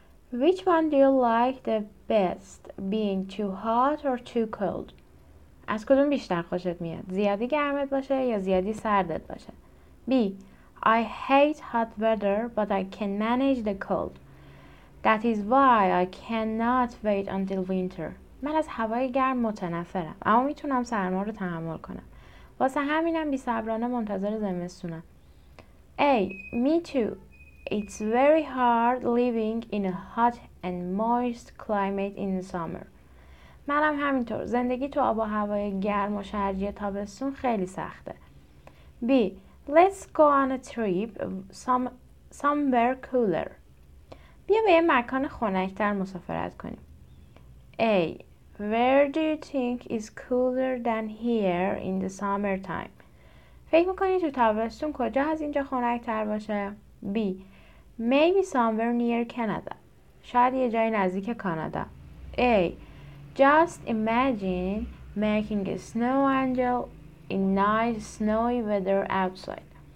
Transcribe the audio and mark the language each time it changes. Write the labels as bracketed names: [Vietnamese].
[English] Which one do you like the best, being too hot or too cold? [Persian] از کدوم بیشتر خوشت میاد؟ زیادی گرمت باشه یا زیادی سردت باشه؟ B. [English] I hate hot weather, but I can manage the cold. That is why I cannot wait until winter. [Persian] من از هوای گرم متنفرم، اما میتونم سرما رو تحمل کنم. واسه همینم بی‌صبرانه منتظر زمستونم. [English] A. Me too. It's very hard living in a hot and moist climate in the summer. [Persian] منم همینطور. زندگی تو آب و هوای گرم و شرجی تابستون خیلی سخته. [English] B. Let's go on a trip somewhere cooler. [Persian] بیا به یه مکان خنک‌تر مسافرت کنیم. [English] A. Where do you think is cooler than here in the summertime? [Persian] فکر میکنی تو تابستون کجا از اینجا خنک‌تر باشه؟ B. [English] Maybe somewhere near Canada. [Persian] شاید یه جای نزدیک کانادا. [English] A. Just imagine making a snow angel in nice snowy weather outside.